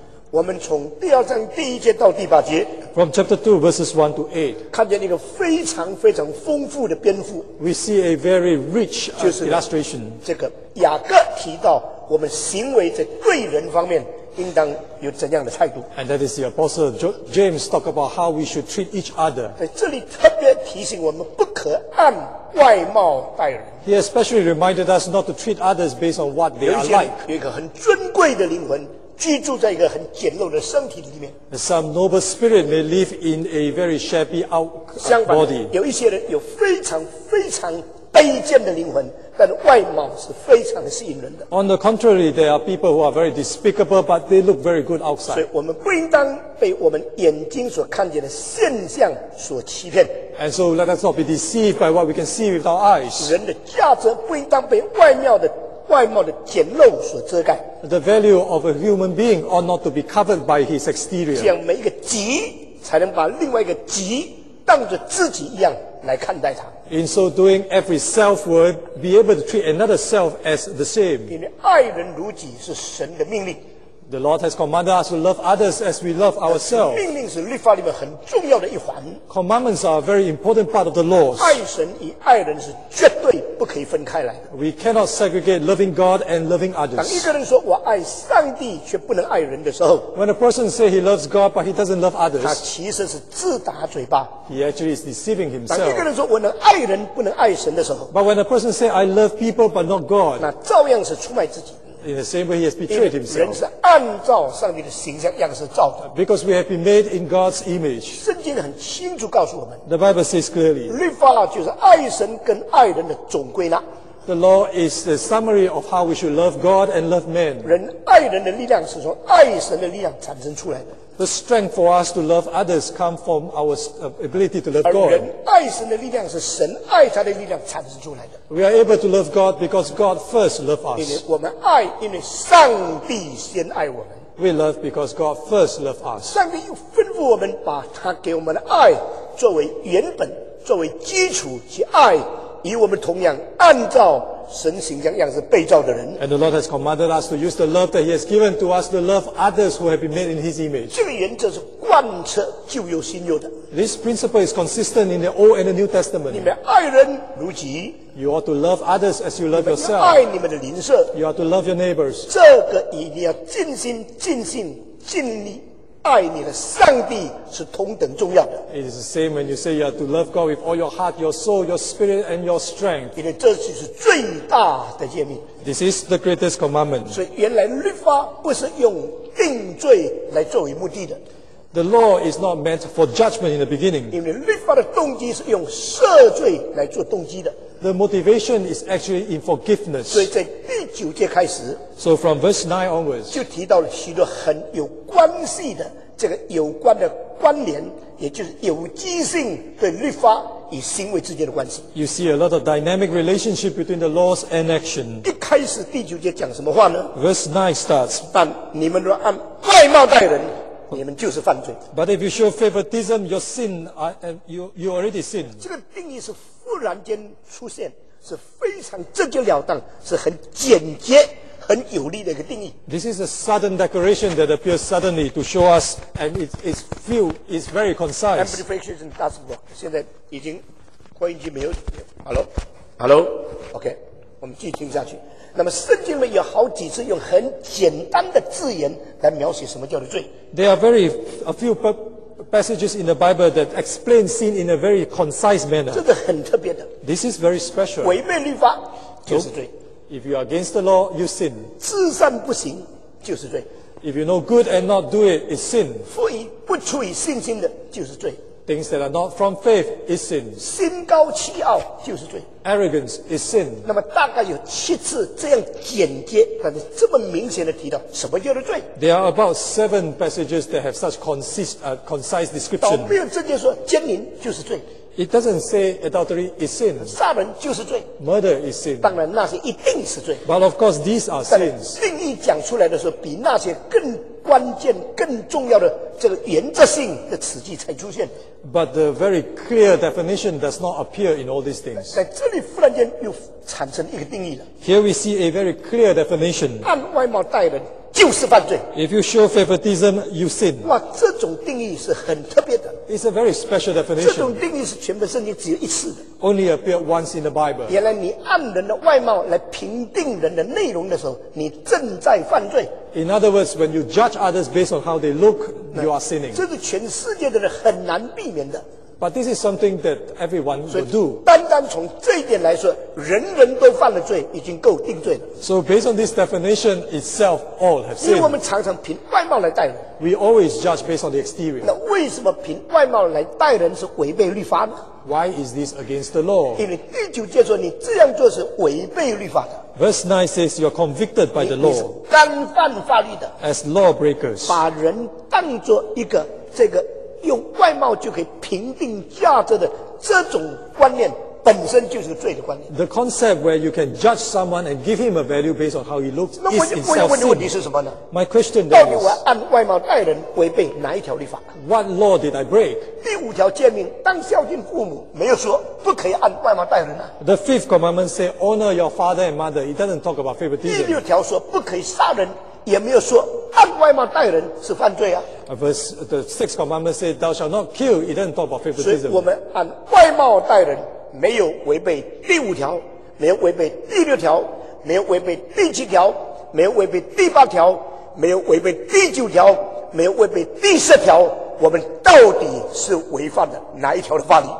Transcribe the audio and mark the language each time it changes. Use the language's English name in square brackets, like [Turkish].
[Chinese] 我们从第二章第一节到第八节 [English] ，From chapter two verses one to eight， [Chinese] 看见一个非常非常丰富的篇幅。 [English] We see a very rich illustration。 [Chinese] 这个雅各提到，我们行为在对人方面应当有怎样的态度 [English] ？And that is the apostle James talk about how we should treat each other。 [Chinese] 在这里特别提醒我们，不可按外貌待人。 [English] He especially reminded us not to treat others based on what they are like。 [Chinese] 有一个很尊贵的灵魂。居住在一个很简陋的身体里面。 [English] Some noble spirit may live in a very shabby out body. [Chinese] 相反的，有一些人有非常非常卑贱的灵魂，但外貌是非常吸引人的。 [English] On the contrary, there are people who are very despicable, but they look very good outside. [Chinese] 所以我们不应当被我们眼睛所看见的现象所欺骗。 [English] And so let us not be deceived by what we can see with our eyes. [Chinese] 人的价值不应当被外貌的简陋所遮盖。 [English] The value of a human being ought not to be covered by his exterior. [Chinese] 这样每一个己才能把另外一个己当作自己一样来看待他。 [English] In so doing, every self would be able to treat another self as the same. [Chinese] 因为爱人如己是神的命令。 [English] The Lord has commanded us to love others as we love ourselves. [Chinese] 命令是律法里面很重要的一环。 [English] Commandments are a very important part of the laws. [Chinese] 爱神与爱人是绝对不可以分开来。 [English] We cannot segregate loving God and loving others. [Chinese] 当一个人说我爱上帝却不能爱人的时候， [English] When a person says he loves God but he doesn't love others, [Chinese] 他其实是自打嘴巴。 [English] He actually is deceiving himself. [Chinese] 当一个人说我能爱人不能爱神的时候， [English] But when a person says I love people but not God, [Chinese] 那照样是出卖自己。 [English] In the same way, he has betrayed himself. [Chinese] 人是按照上帝的形象样式造的。 [English] Because we have been made in God's image. [Chinese] 圣经很清楚告诉我们。 [English] The Bible says clearly. [Chinese] 律法就是爱神跟爱人的总归纳。 [English] The law is the summary of how we should love God and love man. [Chinese] 人爱人的力量是从爱神的力量产生出来的。 [English] The strength for us to love others comes from our ability to love God. [Chinese] 而人爱神的力量是神爱他的力量产生出来的。 [English] We are able to love God because God first loved us. [Chinese] 因为我们爱，因为上帝先爱我们。 [English] We love because God first loved us. [Chinese] 上帝又吩咐我们把他给我们的爱作为原本，作为基础去爱与我们同样按照神形象样式被造的人。 [English] And the Lord has commanded us to use the love that He has given to us to love others who have been made in His image. [Chinese] 这个原则是贯彻旧有新有的。 [English] This principle is consistent in the Old and the New Testament. [Chinese] 你们爱人如己。 [English] You ought to love others as you love yourself. [Chinese] 爱你们的邻舍。 [English] You ought to love your neighbors. [Chinese] 这个一定要尽心、尽性、尽力。爱你的上帝是同等重要的。 [English] It is the same when you say you have to love God with all your heart, your soul, your spirit, and your strength. [Chinese] 因为这就是最大的诫命。 [English] This is the greatest commandment. [Chinese] 所以原来律法不是用定罪来作为目的的。 [English] The law is not meant for judgment in the beginning. [Chinese] 因为律法的动机是用赦罪来做动机的。 [English] The motivation is actually in forgiveness. [Chinese] 所以在第九节开始， [English] So from verse 9 onwards, [Chinese] 就提到了许多很有关系的这个有关的关联，也就是有机性对律法与行为之间的关系。 [English] You see a lot of dynamic relationship between the laws and action. [Chinese] 一开始第九节讲什么话呢？ [English] Verse 9 starts. [Chinese] 但你们若按外貌待人，你们就是犯罪。 [English] But if you show favoritism, your sin, you already sin. [Chinese] 这个定义是忽然间出现，是非常直截了当，是很简洁、很有力的一个定义。 [English] This is a sudden declaration that appears suddenly to show us, and it's very concise. Amplification doesn't work. [Chinese] 现在已经扩音机没有。 [English] Hello, hello. [Chinese] OK, 我们继续听下去。那么圣经里面有好几次用很简单的字眼来描写什么叫做罪。 [English] There are a few passages in the Bible that explain sin in a very concise manner. [Chinese] 这个很特别的。 [English] This is very special. [Chinese] 违背律法就是罪。 [English] If you are against the law, you sin. [Chinese] 自善不行就是罪。 [English] If you know good and not do it, it's sin. [Chinese] 不以不出于信心的就是罪。 [English] Things that are not from faith is sin. [Chinese] 心高气傲就是罪。 [English] Arrogance is sin. [Chinese] 那么大概有七次这样简洁但是这么明显的提到什么叫做罪。 [English] There are about seven passages that have such concise description. [Chinese] 倒没有直接说奸淫就是罪。 [English] It doesn't say adultery is sin. [Chinese] 杀人就是罪。 [English] Murder is sin. [Chinese] 当然那些一定是罪。 [English] But of course these are sins. [Chinese] 但定义讲出来的时候，比那些更关键、更重要的这个原则性的词句才出现。 [English] But the very clear definition does not appear in all these things. [Chinese] 在这里忽然间又产生一个定义了。 [English] Here we see a very clear definition. [Chinese] 按外貌待人就是犯罪。 [English] If you show favoritism, you sin. [Chinese] 哇，这种定义是很特别的。 [English] It's a very special definition. [Chinese] 这种定义是全本圣经只有一次的。 [English] Only appeared once in the Bible. [Chinese] 原来你按人的外貌来评定人的内容的时候，你正在犯罪。 [English] In other words, when you judge others based on how they look, you are sinning. [Chinese] 这是全世界的人很难避免的。 [English] But this is something that everyone will do. [Chinese] 单单从这一点来说，人人都犯了罪，已经够定罪了。 [English] So based on this definition itself, all have sinned. [Chinese] 因为我们常常凭外貌来待人。 [English] We always judge based on the exterior. [Chinese] 那为什么凭外貌来待人是违背律法呢？ [English] Why is this against the law? [Chinese] 因为第九节说你这样做是违背律法的。 [English] Verse 9 says you are convicted by the law. [Chinese] 你是干犯法律的。 [English] As lawbreakers. [Chinese] 把人当作一个这个。用外貌就可以评定价值的这种观念本身就是罪的观念。 [English] The concept where you can judge someone and give him a value based on how he looks is itself sin. [Chinese] 那我要问的问题是什么呢？ [English] My question is, [Chinese] 到底我按外貌待人违背哪一条律法？ [English] What law did I break? [Chinese] 第五条诫命，当孝敬父母，没有说不可以按外貌待人啊。 [English] The fifth commandment says honor your father and mother. It doesn't talk about favoritism. [Chinese] 第六条说不可以杀人，也没有说按外貌待人是犯罪啊。 [English] Verse, the sixth commandment says, "Thou shalt not kill." It doesn't talk about favoritism. [Chinese] 所以我们按外貌待人，没有违背第五条，没有违背第六条，没有违背第七条，没有违背第八条，没有违背第九条，没有违背第十条。我们到底是违反的哪一条的法律？